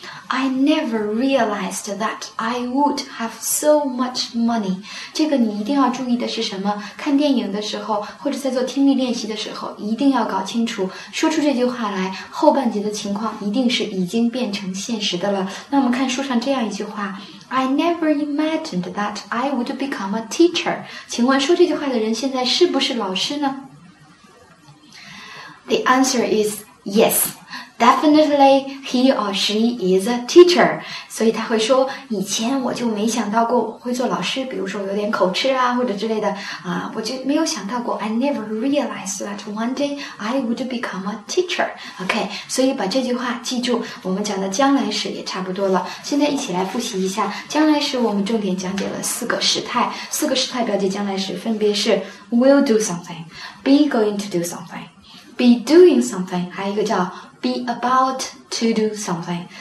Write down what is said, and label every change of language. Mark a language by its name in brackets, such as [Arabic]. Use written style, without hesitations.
[English] I never realized that I would have so much money. [Chinese] 这个你一定要注意的是什么？看电影的时候或者在做听力练习的时候一定要搞清楚，说出这句话来后半截的情况一定是已经变成现实的了。那我们看书上这样一句话， [English] I never imagined that I would become a teacher. [Chinese] 请问说这句话的人现在是不是老师呢？ [English] The answer is yes. Definitely, he or she is a teacher. [Chinese] 所以他会说，以前我就没想到过会做老师，比如说有点口吃啊，或者之类的啊，我就没有想到过。 [English] I never realized that one day I would become a teacher. [Chinese] OK, 所以把这句话记住，我们讲的将来时也差不多了。现在一起来复习一下，将来时我们重点讲解了四个时态，四个时态表记将来时分别是 will do something, be going to do something, be doing something, 还有一个叫be about to do something.